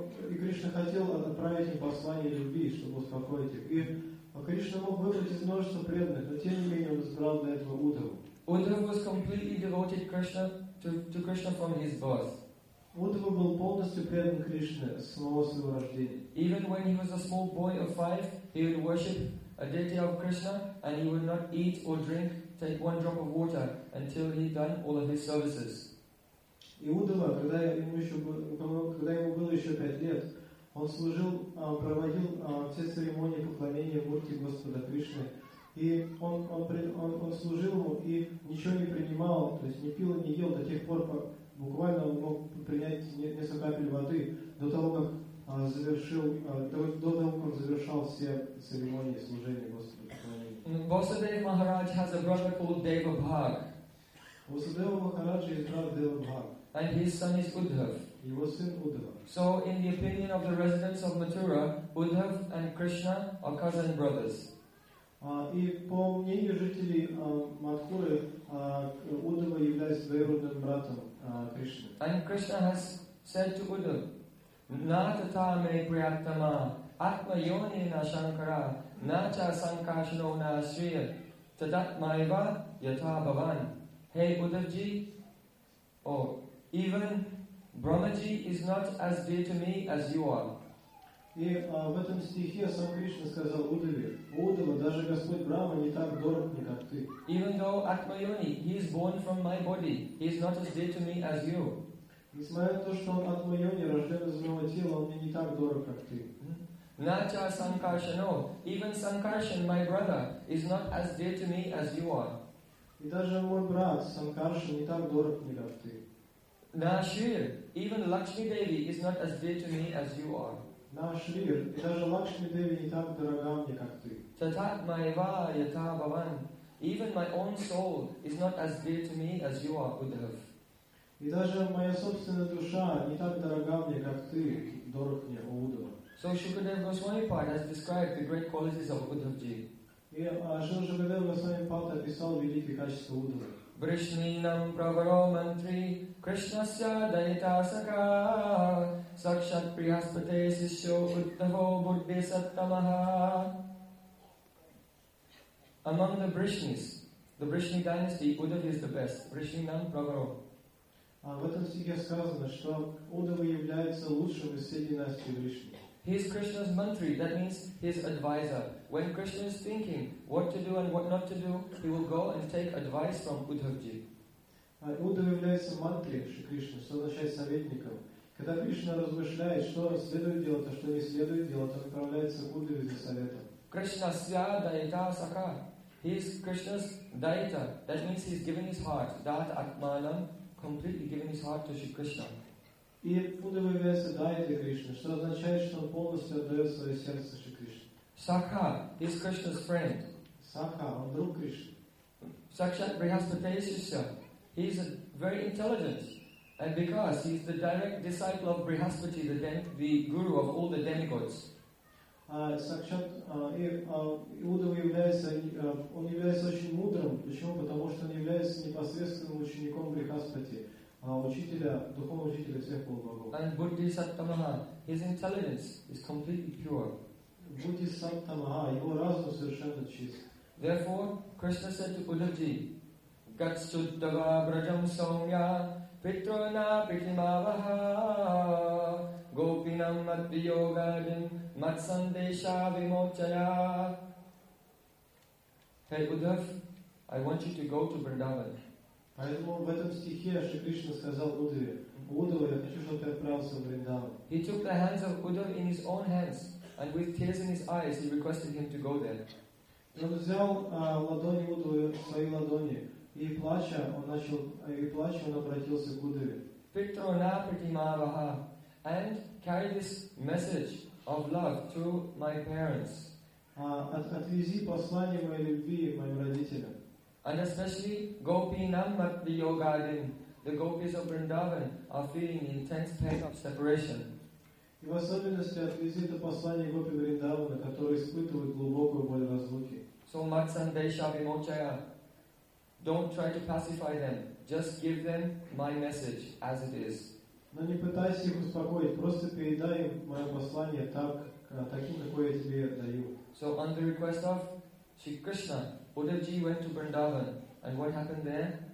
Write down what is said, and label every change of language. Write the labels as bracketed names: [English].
[Russian] И Кришна хотел отправить им послание любви, чтобы успокоить их. И Кришна мог выбрать из множества преданных, но тем не менее он избрал для этого Удхава. [English] Удхава was completely devoted Krishna to Krishna from his birth. [Russian] Удхава был полностью предан Кришне с самого своего рождения. [English] Even when he was a small boy of 5, he would worship a deity of Krishna and he would not eat or drink, take one drop of water until he had done all of his services. [Russian] И Удхава, когда ему было еще 5 лет, он служил, проводил все церемонии поклонения Мурти Господа Кришны. И он служил ему и ничего не принимал, то есть не пил и не ел до тех пор, как буквально он мог принять несколько капель воды до того, как он завершал все церемонии служения Господа поклонения. [English] Vasudeva Maharaj has a brother called Deva Bhag. Vasudeva Maharaj is not Deva Bhag. And his son is Uddhav. He was in Uddhav. So, in the opinion of the residents of Mathura, Uddhav and Krishna are cousin brothers. [Russian] И по мнению жителей Матхуры, Удава является двоюродным братом Кришны. [English] And Krishna has said to Uddhav, [Sanskrit] Natata me priyatama, atma yoni na shankara, nacha sankashno na sriya, tadat maiva yata bhavan. [English] Hey Uddhavji, oh, even Brahmaji is not as dear to me as you are. [Russian] И в этом стихе сам Кришна сказал Удаве: Удава, даже Господь Брама не так дорог мне, как ты. [English] Even though Atma Yoni, he is born from my body, he is not as dear to me as you. [Russian] Несмотря на то, что он Atma Yoni, рожден из моего тела, он мне не так дорог, как ты. [Sanskrit] Nacha Sankarshano, [English] even Sankarshan, my brother, is not as dear to me as you are. [Russian] И даже мой брат Sankarshan не так дорог мне, как ты. [English] Nashir, even Lakshmi Devi is not as dear to me as you are. [Russian] Наш мир, и даже Лакшми Деви не так дорога мне, как ты. [Sanskrit] Татат майва ята баван. [English] Even my own soul is not as dear to me as you are, Uddhav. [Russian] И даже моя собственная душа не так дорога мне, как ты, дорог мне, Уддхав. [English] So Shukadev Goswami Pad has described the great qualities of Uddhavji. [Russian] И Шукадев Госвами Пад описал великие качества Уддхава. [Sanskrit] Vrishninam pravaromantri krishnasya daitasaka sakshat priyaspate sisyo uttavo buddhi sattamaha. [English] Among the Vrishnis, the Vrishni dynasty, Uddhava is the best. [Sanskrit] Vrishninam pravaromantri. [Russian] В этом стихе сказано, что Uddhava является лучшим из всей династии Vrishni. [English] He is Krishna's mantri, that means his advisor. When Krishna is thinking what to do and what not to do, he will go and take advice from Uddhavji. [Russian] Uddhav является мантри Кришны, что означает советником. Когда Кришна размышляет, что следует делать, а что не следует делать, он отправляется к Уддхаве за советом. [Sanskrit] Krishnasya daita saka. [English] He is Krishna's daita. That means he is giving his heart. [Sanskrit] Dat atmanam, [English] completely giving his heart to Shri Krishna. [Russian] И Uddhava является дайте Кришне, что означает, что он полностью отдает свое сердце Шри Кришне. [English] Сакха, is Krishna's friend. [Russian] Сакха, он друг Кришны. [Sanskrit] Сакшат Брихаспати Сисья, [English] he is very intelligent, and because he is the direct disciple of Brihaspati, the guru of all the demigods. [Russian] Сакшат, Uddhava является, он является очень мудрым. Почему? Потому что он является непосредственным учеником Брихаспати. Учителя, духовного учителя всех полубогов. [English] And [Sanskrit] Buddhi Sattamaha, [English] his intelligence is completely pure. [Sanskrit] Buddhi Sattamaha, [Russian] его разум совершенно чист. [English] Therefore, Krishna said to Uddhavji, [Sanskrit] Gatsuddhava Brajam Saumya Pitrana Pitimavaha Gopinam Madhya Yogadin Matsandesha Vimochaya. [English] Hey Uddhav, I want you to go to Vrindavan. [Russian] Поэтому в этом стихе Шри Кришна сказал Удаве: Удава, я хочу, чтобы ты отправился в Вриндаван. [English] He took the hands of Uddhav in his own hands, and with tears in his eyes, he requested him to go there. [Russian] Он взял ладони Удавы в свои ладони, и плача, он начал, и плача, он обратился к Удаве. [Sanskrit] Питро на притимаваха, [English] and carry this message of love to my parents. [Russian] Отвези послание моей любви моим родителям. [English] And especially [Sanskrit] Gopi Nam at the Yoga Adin. [English] The gopis of Vrindavan are feeling intense pain of separation. [Russian] И в особенности отвези это послание Гопи Вриндавана, которые испытывают глубокую боль разлуки. [English] So [Sanskrit] Matsandesha Vimochaya. [English] Don't try to pacify them. Just give them my message as it is. [Russian] Но не пытайся их успокоить. Просто передай им мое послание так, таким, какое я тебе даю. [English] So on the request of Shri Krishna, Uddhavji went to Vrindavan, and what happened there?